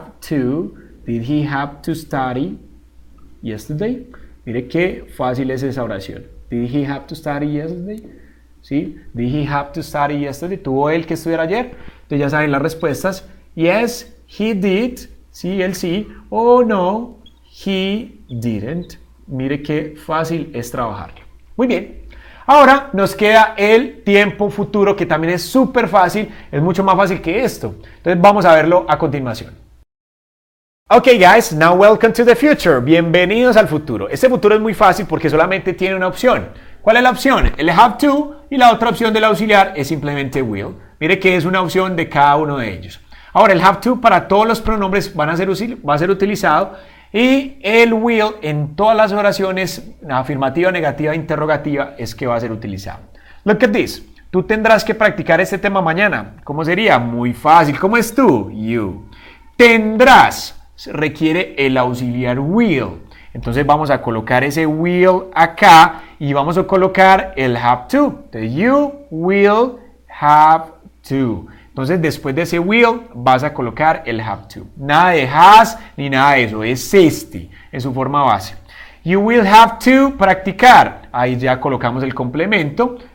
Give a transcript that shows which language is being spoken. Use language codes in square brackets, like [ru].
[en] Did he have to study yesterday? [es] Mire qué fácil es esa oración. [en] Did he have to study yesterday? ¿Sí? Did he have to study yesterday? [es] ¿Tuvo él que estudiar ayer? Entonces ya saben las respuestas. [en] Yes, he did. [es] Sí, él sí. [en] Oh, no, he didn't. [es] Mire qué fácil es trabajarlo. Muy bien. Ahora nos queda el tiempo futuro, que también es súper fácil. Es mucho más fácil que esto. Entonces vamos a verlo a continuación. [en] Ok, guys, now welcome to the future. [es] Bienvenidos al futuro. Este futuro es muy fácil porque solamente tiene una opción. ¿Cuál es la opción? El have to, y la otra opción del auxiliar es simplemente will. Mire que es una opción de cada uno de ellos. Ahora, el have to para todos los pronombres va a ser utilizado, y el will en todas las oraciones, afirmativa, negativa, interrogativa, es que va a ser utilizado. [en] Look at this. [es] Tú tendrás que practicar este tema mañana. ¿Cómo sería? Muy fácil. ¿Cómo es tú? You. Tendrás. Requiere el auxiliar will. Entonces vamos a colocar ese will acá y vamos a colocar el have to. [en] The you will have to. [es] Entonces después de ese will vas a colocar el have to. Nada de has ni nada de eso. Es este. Es su forma base. [en] You will have to practicar. [es] Ahí ya colocamos el complemento.